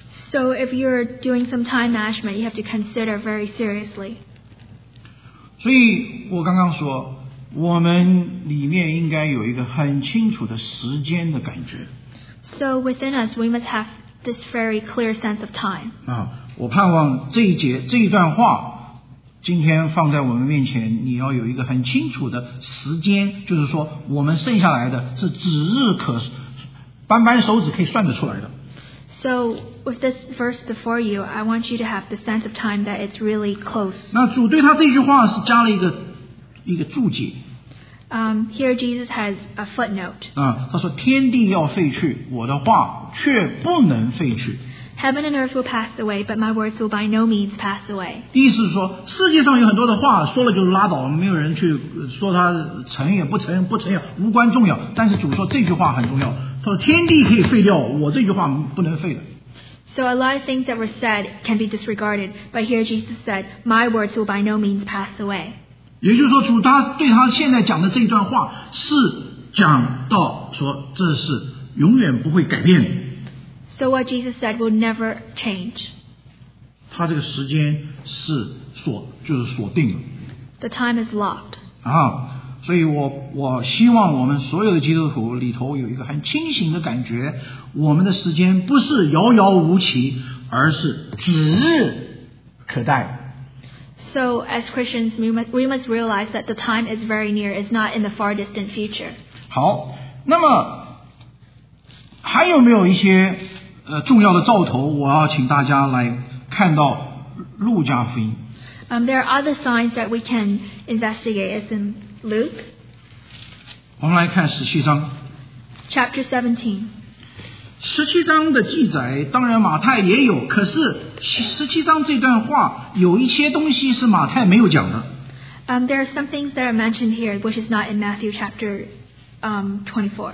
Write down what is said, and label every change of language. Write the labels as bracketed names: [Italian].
[English] So if you're doing some time management, you have to consider very seriously. [Chinese] 所以我刚刚说，我们里面应该有一个很清楚的时间的感觉。 [English] So within us, we must have this very clear sense of time. [Chinese] 啊，我盼望这一节这一段话，今天放在我们面前，你要有一个很清楚的时间，就是说我们剩下来的是指日可扳扳手指可以算得出来的。 [English] So with this verse before you, I want you to have the sense of time that it's really close. [Chinese] 那主对他这句话是加了一个注解。 [English] Here Jesus has a footnote. [Chinese] 他说天地要废去，我的话却不能废去。 [English] Heaven and earth will pass away, but my words will by no means pass away. [Chinese] 意思是说，世界上有很多的话说了就拉倒，没有人去说它成也不成，不成也无关重要。但是主说这句话很重要。他说天地可以废掉，我这句话不能废的。 [English] So a lot of things that were said can be disregarded, but here Jesus said, my words will by no means pass away. [Chinese] 也就是说，主他对他现在讲的这段话是讲到说这是永远不会改变的。 [English] So what Jesus said will never change. [Chinese] 他这个时间是锁，就是锁定了。 [English] The time is locked. [Chinese] 啊，所以我希望我们所有的基督徒里头有一个很清醒的感觉，我们的时间不是遥遥无期，而是指日可待。 [English] So as Christians, we must realize that the time is very near, it's not in the far distant future. [Chinese] 好，那么还有没有一些重要的兆头，我要请大家来看到路加福音。 [English] There are other signs that we can investigate as in Luke. [Chinese] 我们来看十七章。 [English] Chapter 17. [Chinese] 十七章的记载，当然马太也有，可是十七章这段话有一些东西是马太没有讲的。 [English] There are some things that are mentioned here which is not in Matthew chapter 24.